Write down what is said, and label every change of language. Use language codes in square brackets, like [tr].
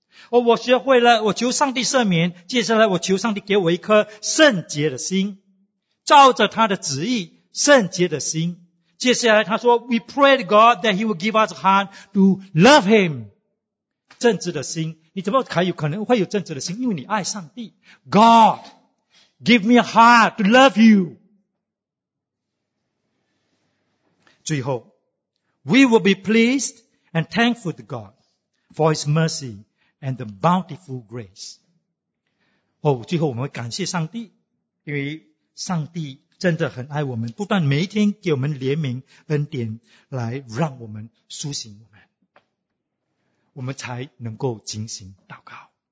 [zh] 我学会了，我求上帝赦免，接下来我求上帝给我一颗圣洁的心，照着他的旨意，圣洁的心。接下来他说 [en] ,We pray to God that he will give us a heart to love him, [zh] 正直的心。你怎么还有可能会有正直的心？因为你爱上帝。 [en] God, give me a heart to love you. [zh] 最后 [en] ,we will be pleased and thankful to God for his mercy and the bountiful grace. [zh] 哦，最后我们会感谢上帝，因为上帝真的很爱我们，不断每一天给我们怜悯恩典来让我们苏醒，我们才能够进行祷告。